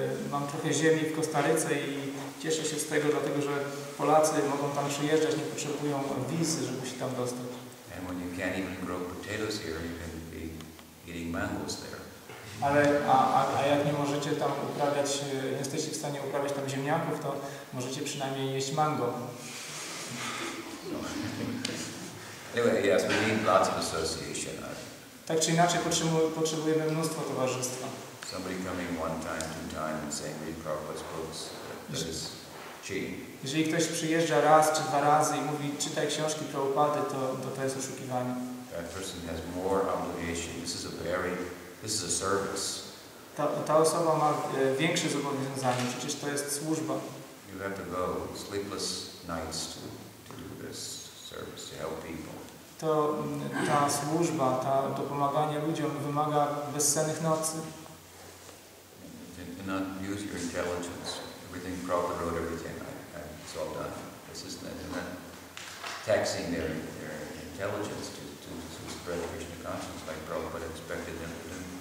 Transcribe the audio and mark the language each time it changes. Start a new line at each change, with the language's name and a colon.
Polish: Mam trochę ziemi w Kostaryce i cieszę się z tego, dlatego że Polacy mogą tam przyjeżdżać, nie potrzebują wizy, żeby się tam dostać.
English: And when you can't even grow potatoes here, you can be eating mangoes there.
Polish: Ale a jak nie możecie tam uprawiać, nie jesteście w stanie uprawiać tam ziemniaków, to możecie przynajmniej jeść mango.
English: Anyway, yes, we need lots of association.
Polish: Tak czy inaczej potrzebujemy mnóstwo towarzystwa.
English: Somebody coming one time, two times and saying read Prabhupada's books, that is chi.
Polish: Jeżeli ktoś przyjeżdża raz czy dwa razy i mówi czytaj książki Prabhupady, to jest oszukiwanie.
English: That person has more obligation. This is a service.
Polish: Ta osoba ma większe zobowiązanie, przecież to jest służba.
English: You have to go sleepless nights to do this service, to help people.
Polish: To ta służba, to pomaganie ludziom wymaga bezsennych nocy.
English: You cannot use your intelligence. Everything Prabhupada wrote, everything. It's all done. This is not taxing their intelligence to spread Krishna consciousness like Prabhupada expected them to do.